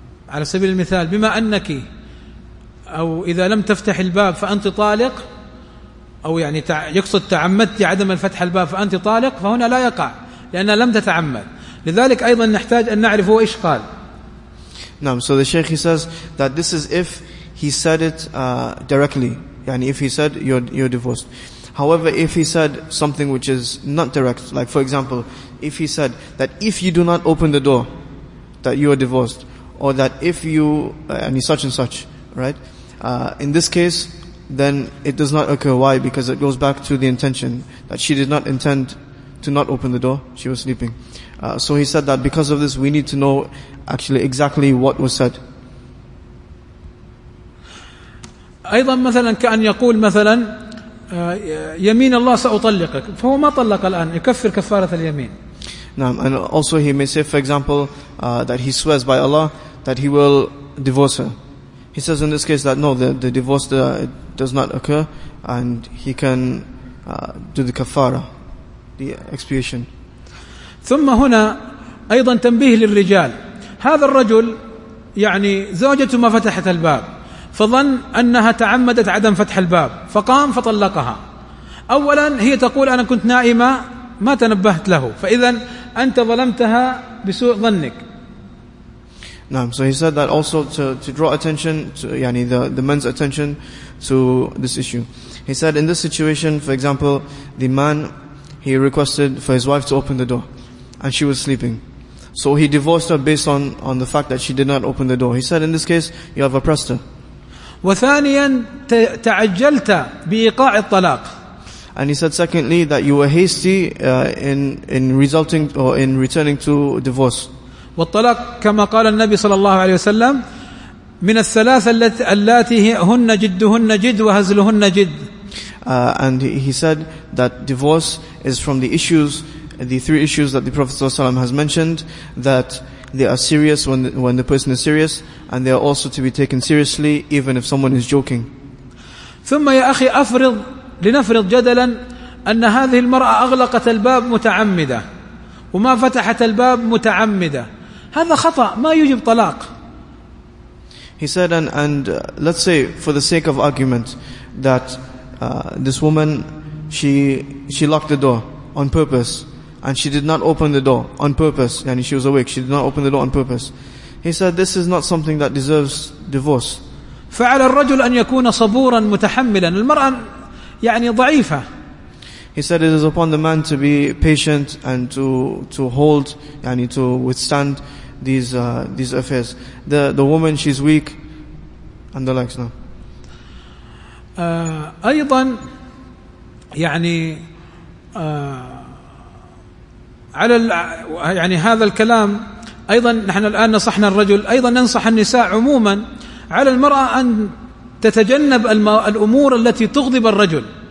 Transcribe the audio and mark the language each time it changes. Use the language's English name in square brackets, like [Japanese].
[Arabic] على سبيل المثال بما أنك أو إذا لم تفتح الباب فأنت طالق، أو يعني يقصد تعمدت عدم الفتح الباب فأنت طالق، فهنا لا يقع لأن لم تتعمد. لذلك أيضا نحتاج أن نعرف هو إيش قال. نعم. [English] So the Sheikh, he says that this is if he said it directly. [Arabic] يعني [English] if he said you're divorced. However, if he said something which is not direct, like for example, if he said that if you do not open the door, that you are divorced, or that if you, such and such, right? In this case, then it does not occur. Why? Because it goes back to the intention that she did not intend to not open the door, she was sleeping. So he said that because of this, we need to know actually exactly what was said. [Arabic] أيضا مثلا كأن يقول مثلا يمين الله سأطلقك، فهو ما طلق الآن، يكفر كفارة اليمين. نعم. [English] And also he may say, for example, that he swears by Allah that he will divorce her. He says in this case that no, the divorce does not occur, and he can do the kafara, the expiation. [Arabic] ثم هنا أيضا تنبيه للرجال. هذا الرجل يعني زوجته ما فتحت الباب، فظن أنها تعمدت عدم فتح الباب فقام فطلقها. أولا هي تقول أنا كنت نائمة ما تنبهت له، فإذا أنت ظلمتها بسوء ظنك. نعم. [English] So he said that also to draw attention to [Arabic] يعني [English] the man's attention to this issue. He said in this situation, for example, the man, he requested for his wife to open the door and she was sleeping. So he divorced her based on the fact that she did not open the door. He said in this case you have oppressed her. [Arabic] وثانيا تعجلت بإيقاع الطلاق. [English] And he said secondly that you were hasty in resulting or in returning to divorce. [Arabic] والطلاق كما قال النبي صلى الله عليه وسلم من الثلاثة اللاتي هن جدهن جد وهزلهن جد. [English] And he said that divorce is from the three issues that the Prophet [Arabic] صلى الله عليه وسلم [English] has mentioned, that they are serious when the person is serious, and they are also to be taken seriously even if someone is joking. [Arabic] ثم يا أخي أفرض لنفرض جدلا أن هذه المرأة أغلقت الباب متعمدة وما فتحت الباب متعمدة، هذا خطأ ما يجب طلاق. [English] He said and let's say for the sake of argument that this woman she locked the door on purpose and she did not open the door on purpose, yani she was awake, she did not open the door on purpose. He said this is not something that deserves divorce. [Arabic] فعلى الرجل أن يكون صبورا متحملا، المرأة يعني ضعيفة. [English] He said it is upon the man to be patient and to hold [Arabic] يعني [English] to withstand these affairs. The woman, she's weak and the likes. Now [Arabic] أيضا يعني على يعني هذا الكلام أيضا نحن الآن نصحنا الرجل، أيضا ننصح النساء عموما على المرأة أن تتجنب الأمور التي تغضب الرجل،